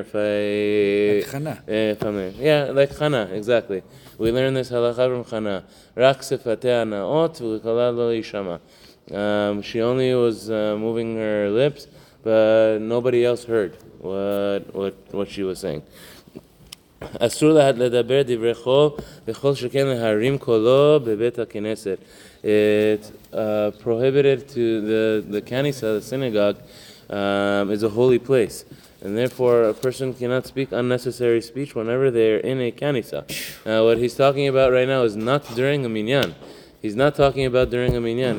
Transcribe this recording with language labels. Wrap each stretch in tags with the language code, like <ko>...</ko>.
<en>Like Chana, exactly. We learn this halacha from Chana.</en> <he>Rak sefateh na'ot v'kala lo yishama.</he> <en>She only was moving her lips, but nobody else heard what she was saying.</en> <he>אסור לה לדבר דברי חול וכל שכן להרים קולו בבית הכנסת.</he> <en>Prohibited to the kanisa, the synagogue, is a holy place. And therefore, a person cannot speak unnecessary speech whenever they're in a kanisa. What he's talking about right now is not during a minyan. He's not talking about during a minyan.</en>